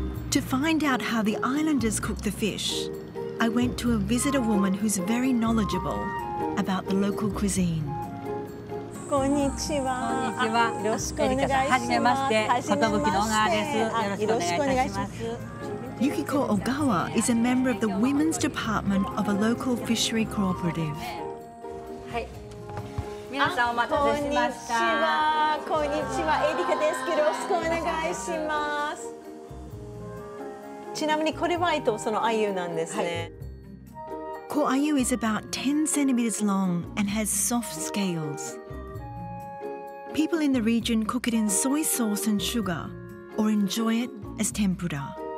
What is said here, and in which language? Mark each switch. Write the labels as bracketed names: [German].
[English] To find out how the islanders cook the fish, I went to a visitor woman who's very knowledgeable about the local cuisine. [Japanese] こんにちは。よろしくお願いします。はじめまして。ことぶきの川です。よろしくお願いします。Yukiko [English] Ogawa is a member of the women's department of a local fishery cooperative. [Japanese] はい。皆さんお待たせしました。こんにちは。こんにちは。エリカです。よろしくお願いします。ちなみにこれはそのアユなんですね。コアユ [English] is about 10 centimeters long and has soft scales. People in the region cook it in soy sauce and sugar, or enjoy it as tempura.